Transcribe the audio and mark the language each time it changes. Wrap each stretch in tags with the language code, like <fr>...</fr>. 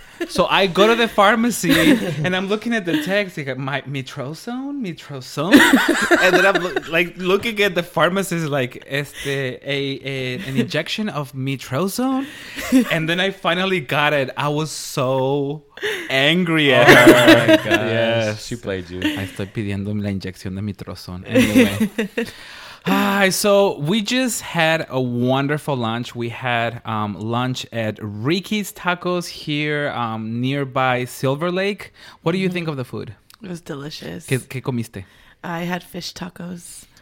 <en>So I go to the pharmacy and I'm looking at the text. Like, my mitrozón, and then I'm looking at the pharmacist like, an injection of mitrozón, and then I finally got it. I was so angry at her. Oh my God. Yes, she played you.</en> <es>I estoy pidiendo la inyección de mitrozón.</es> <en>Anyway. Hi, so we just had a wonderful lunch. We had lunch at Ricky's Tacos here nearby Silver Lake. What do you think of the food? It was delicious.</en> <es>¿Qué comiste?</es> <en>I had fish tacos.</en>